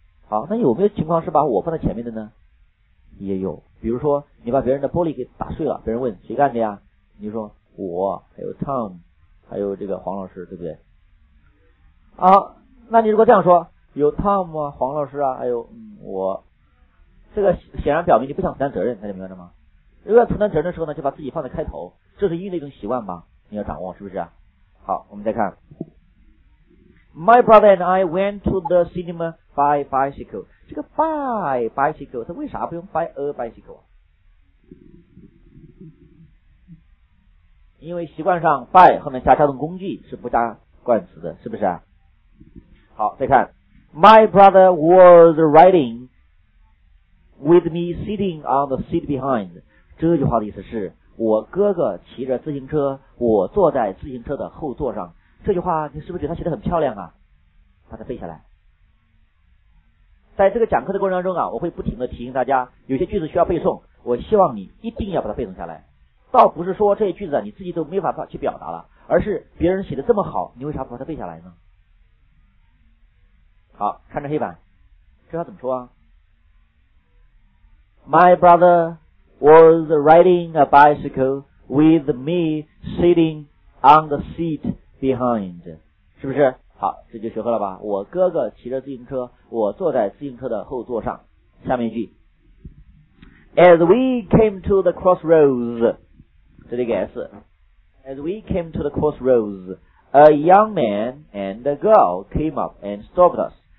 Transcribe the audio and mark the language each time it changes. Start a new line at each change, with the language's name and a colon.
Chinese: 好，那有没有情况是把我放在前面的呢？也有，比如说你把别人的玻璃给打碎了，别人问谁干的呀，你说我，还有 Tom， 还有这个黄老师，对不对？啊，那你如果这样说，有 Tom 啊，黄老师啊，还有我，这个显然表明你不想承担责任，大家明白了吗？如果要承担责任的时候呢，就把自己放在开头，这是英语的一种习惯吧，你要掌握，是不是？好，我们再看
English: My brother and I went to the cinema by bicycle。
Chinese: 这个
English: by bicycle
Chinese: 它为啥不用
English: by a bicycle
Chinese: 啊？因为习惯上 by 后面加交通工具是不加冠词的，是不是啊？好，再看
English: My brother was riding with me sitting on the seat behind。
Chinese: 这句话的意思是我哥哥骑着自行车，我坐在自行车的后座上。这句话你是不是觉得他写得很漂亮啊？把它背下来。在这个讲课的过程中啊，我会不停地提醒大家有些句子需要背诵，我希望你一定要把它背诵下来。倒不是说这些句子啊你自己都没法去表达了，而是别人写得这么好，你为啥不把它背下来呢？好，看着黑板，这要怎么说啊？
English: My brother was riding a bicycle with me sitting on the seat behind，
Chinese: 是不是？好，这就学会了吧。我哥哥骑着自行车，我坐在自行车的后座上。下面一句
English: As we came to the crossroads，
Chinese: 这里给
English: S， As we came to the crossroads A young man and a girl came up and stopped us。